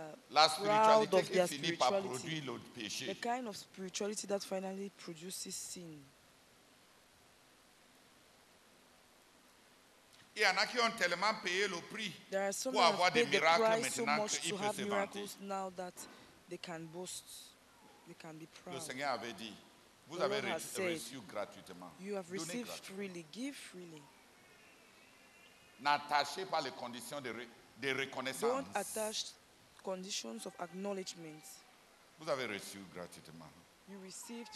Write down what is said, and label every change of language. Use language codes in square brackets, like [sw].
[fr] La spiritualité qui finit par produire le péché. [en] The kind of spirituality that finally produces sin. [fr] Il y en a qui ont tellement payé le prix pour avoir des miracles maintenant qu'ils peuvent se vanter. [en] Now that they can boast, they can be proud. [fr] Le Seigneur avait dit, vous avez reçu gratuitement. [en] You have received freely, give freely. [fr] N'attachez pas les conditions de reconnaissance. [en] Don't attach conditions of acknowledgement. [fr] Vous avez reçu gratuitement. [en] You received